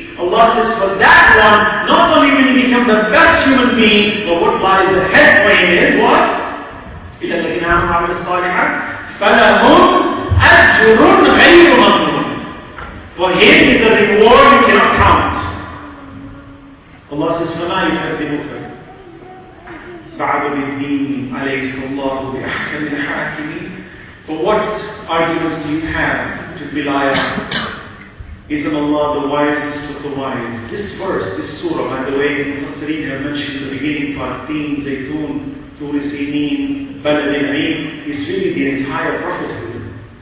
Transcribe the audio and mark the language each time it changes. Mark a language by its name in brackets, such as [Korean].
[English] Allah says, for that one, not only will he become the best human being, but what lies ahead for him is what? [Arabic] إِلَّا الَّذِينَ آمَنُوا وَعَمِلُوا الصَّالِحَاتِ فَلَهُمْ أَجْرٌ غَيْرُ مَمْنُونٍ. [English] For him is a reward you cannot count. Allah says, [Arabic] فَمَا يُكَذِّبُكَ بَعْدُ بِالدِّينِ عَلَيْهِ اللَّهُ بِأَحْكَمِ الْحَاكِمِينَ. [English] For what arguments do you have to belie us? Isn't Allah the wisest of the wise? This verse, this surah, by the way, Mufassireen have mentioned in the beginning part, Teen, Zaytun, Turi Sinin, Baladin Aim, is really the entire prophethood.